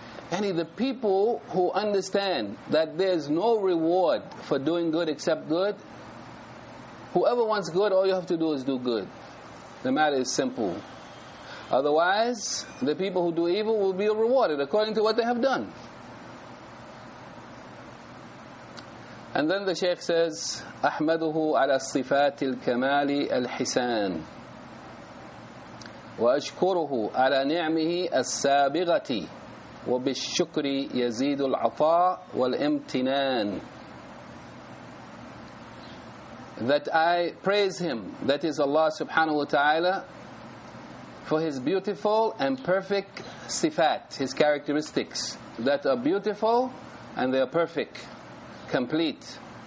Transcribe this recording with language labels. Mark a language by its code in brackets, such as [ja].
[en] Yani the people who understand that there is no reward for doing good except good, whoever wants good, all you have to do is do good. The matter is simple. Otherwise, the people who do evil will be rewarded according to what they have done. And then the Shaykh says, [ar] أَحْمَدُهُ عَلَى الصِّفَاتِ الْكَمَالِ الْحِسَانِ وَأَشْكُرُهُ عَلَى نِعْمِهِ السَّابِغَةِ وَبِالشُّكْرِ يَزِيدُ الْعَطَاءُ وَالْإِمْتِنَانِ. [en] That I praise him, that is Allah subhanahu wa ta'ala, for his beautiful and perfect sifat, his characteristics that are beautiful and they are perfect, complete.